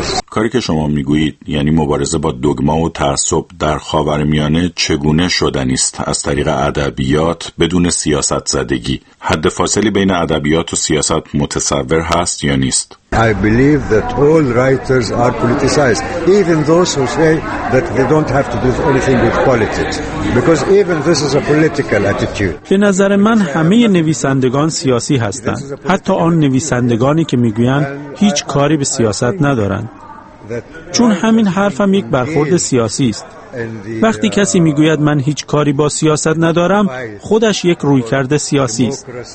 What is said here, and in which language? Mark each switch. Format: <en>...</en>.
<fa>کاری که شما می گویید یعنی مبارزه با دگما و تعصب در خاورمیانه چگونه شدنیست از طریق ادبیات بدون سیاست زدگی. حد فاصلی بین ادبیات و سیاست متصور هست یا نیست؟</fa> <en>I believe that all writers are politicized, even those who say that they don't have to do anything with politics, because even this is a political attitude.</en> <fa>به نظر من همه نویسندگان سیاسی هستند، حتی آن نویسندگانی که میگویند هیچ کاری به سیاست ندارند، چون همین حرفم یک برخورد سیاسی است. وقتی کسی میگوید من هیچ کاری با سیاست ندارم، خودش یک رویکرد سیاسی است.</fa>